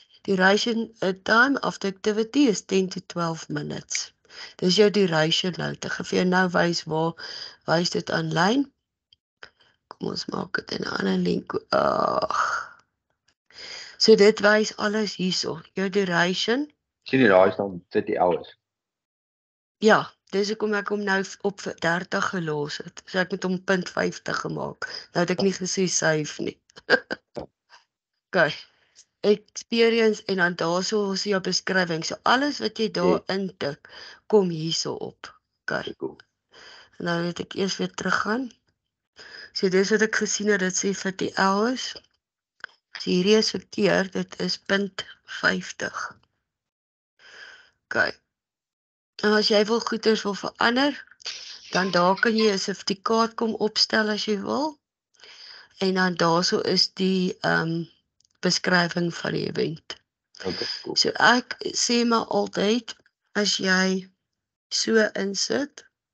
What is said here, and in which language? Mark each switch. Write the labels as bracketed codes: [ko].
[en] Duration time of the activity is 10 to 12 minutes. [af] Dit is jou duration nou. Ek gaan vir jou nou wys waar wys dit aanlyn. Kom ons maak dit in 'n ander link. Ag. So dit wys alles hierso, jou duration. Sien jy daai staan 30 hours? Ja, dis hoekom ek hom nou op 30 gelos het. So ek moet hom 0.50 gemaak. Nou het ek nie gesê save nie. Okay. Experience en dan daarso is jou beskrywing. So alles wat jy daar intik, kom hierso op. Okay. Nou moet ek eers weer teruggaan. So dis wat ek gesien het, dit sê 30 hours. So hierdie is verkeerd, dit is 0.50. Okay. En as jy wil goeders wil verander, dan daar kan jy 'n sertifikaat kom opstel as jy wil. En dan daarso is die beskrywing van die event. Okay, cool. So ek sê maar altyd as jy so insit.